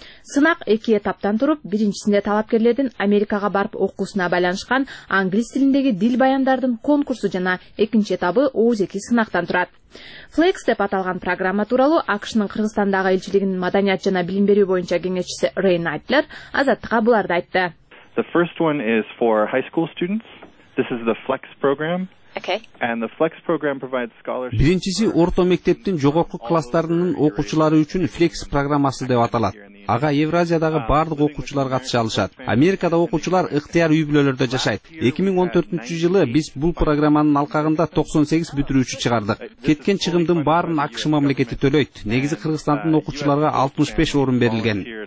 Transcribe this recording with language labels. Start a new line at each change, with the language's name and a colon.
Kyrgyz: Сынак 2 этаптан туруп, биринчисинде талапкерлердин Америкага барып окуусуна байланышкан англис тилиндеги дил баяндардын конкурсу жана экинчи этабы оозеки сынактан турат. Флекс деп аталган программа тууралуу АКШнын Кыргызстандагы элчилигинин маданият жана билим берүү боюнча кеңешчиси Рейн Айтлер Азаттыкка буларды айтты.
English: The first one is for high school students. This is the Flex program. And the Flex program provides scholarships.
Kyrgyz: Биринчиси орто мектептин жогорку класстарынын окуучулары үчүн Flex программасы деп аталат. Ага Евразиядагы бардык окуучулар катыша алышат. Америкада окуучулар ыктыяр үй бүлөлөрдө жашайт. 2014 жылы биз бул программанын алкагында 98 бүтүрүүчү чыгардык. Кеткен чыгымдын баарын АКШ мамлекети төлөйт. Негизи Кыргызстандын окуучуларга 65 орун берилген.